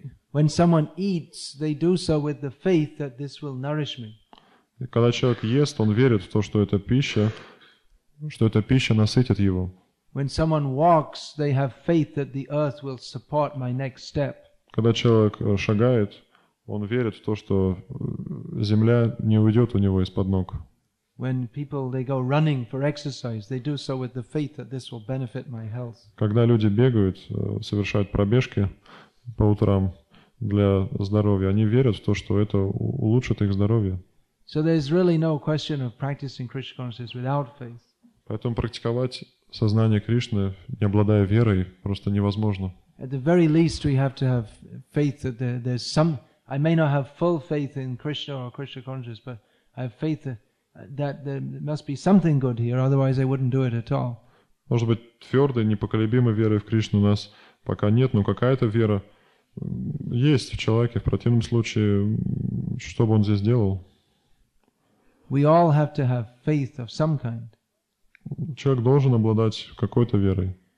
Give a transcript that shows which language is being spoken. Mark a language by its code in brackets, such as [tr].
[en] When someone eats, they do so with the faith that this will nourish me. [ru] Когда человек ест, он верит в то, что эта пища насытит его. [en] When someone walks, they have faith that the earth will support my next step. [ru] Когда человек шагает, он верит в то, что земля не уйдет у него из-под ног. [en] When people they go running for exercise, they do so with the faith that this will benefit my health. [ru] Когда люди бегают, совершают пробежки по утрам для здоровья, они верят в то, что это улучшит их здоровье. [en] So there is really no question of practicing Krishna consciousness without faith. [ru] Поэтому практиковать сознание Кришны, не обладая верой, просто невозможно. [en] At the very least, we have to have faith that there's some. I may not have full faith in Krishna or Krishna consciousness, but I have faith that there must be something good here, otherwise I wouldn't do it at all. [ru] Может быть, твердой, непоколебимой веры в Кришну у нас пока нет, но какая-то вера есть в человеке. В противном случае, что бы он здесь делал? [en] We all have to have faith of some kind. [ru] Человек должен обладать какой-то верой.